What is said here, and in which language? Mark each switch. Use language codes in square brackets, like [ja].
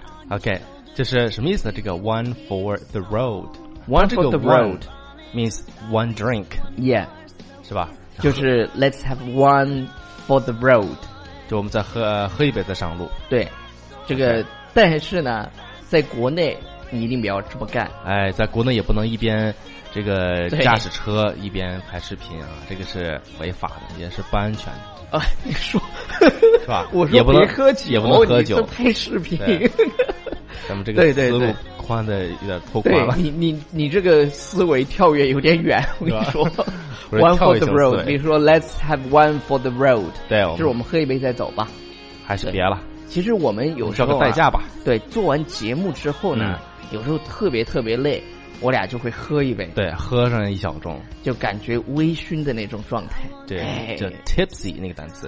[zh] OK， 就是什么意思呢？这个 [en] one for the road， one for the road means one drink， yeah， [zh] 是吧？就是 [en] let's have one for the road， [zh] 就我们再喝一杯再上路。对，这个、 [en] okay. [zh] 但是呢，在国内你一定不要这么干。哎，在国内也不能一边这个驾驶车一边拍视频啊，这个是违法的，也是不安全的。啊，你说是吧？我说别喝酒，也不能喝酒，拍视频。咱们这个思路宽的有点拓宽了。你这个思维跳跃有点远。我跟你说 [en] ，one for the road， [zh] 比如说 [en] let's have one for the road， [zh] 对，就是我们喝一杯再走吧。还是别了。其实我们有时候、个代驾吧。对，做完节目之后呢、有时候特别特别累。我俩就会喝一杯对喝上一小盅就感觉微醺的那种状态对、哎、就 tipsy 那个单词